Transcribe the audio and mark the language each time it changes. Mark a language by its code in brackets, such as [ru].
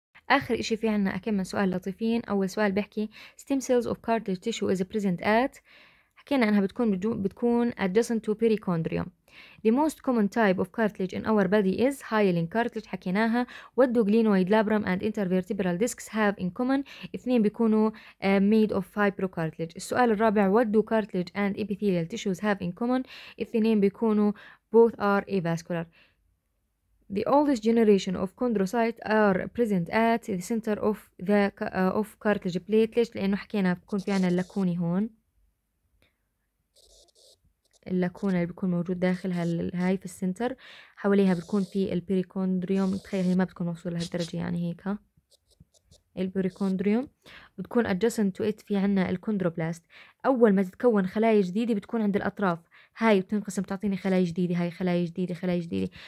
[ar] اخر شيء في عنا اكمل سؤال لطيفين. اول سؤال بحكي [en] stem cells of cartilage tissue is present at, [ar] حكينا انها بتكون [en] adjacent to pericondrium. The most common type of cartilage in our body is hyaline cartilage [ar] حكيناها. [en] What do glenoid, labrum and intervertebral discs have in common؟ [ar] اثنين بيكونوا [en] made of fibrocartilage. [ar] السؤال الرابع [en] What do cartilage and epithelial tissues have in common؟ [ar] اثنين بيكونوا [en] both are avascular. The oldest generation of chondrocytes are present at the center of the cartilage plate. [ar] ليش؟ لأنه حكينا بكون في عنا اللاكوني هون، اللاكونة اللي بيكون موجود داخل هاي في السنتر، حواليها بيكون في البيريكوندريوم. تخيل هي ما بتكون موصولة لهالدرجة، يعني هيك ها البيريكوندريوم بتكون [en] adjacent to it. [ar] في عنا الكوندروبلاست، أول ما تتكون خلايا جديدة بتكون عند الأطراف هاي بتنقسم تعطيني خلايا جديدة، هاي خلايا جديدة خلايا جديدة.